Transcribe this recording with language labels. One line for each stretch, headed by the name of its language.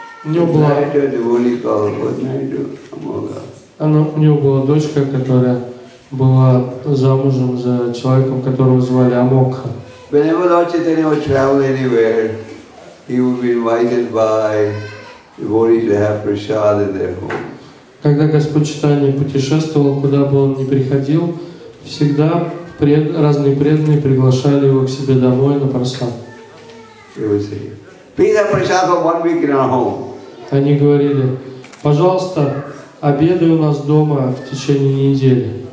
Russian: У него была дочка, которая была замужем за человеком, которого звали Амокха.
English: Whenever Lord Chaitanya would travel anywhere, he would be invited by devotees to have prasad in their homes.
Russian: Когда Господь Чайтанья путешествовал, куда бы он ни приходил, всегда разные преданные приглашали его к себе домой на прасад.
English: They would say, please have prasad for 1 week in our home.
Russian: Они говорили, пожалуйста, обедай у нас дома в течение недели.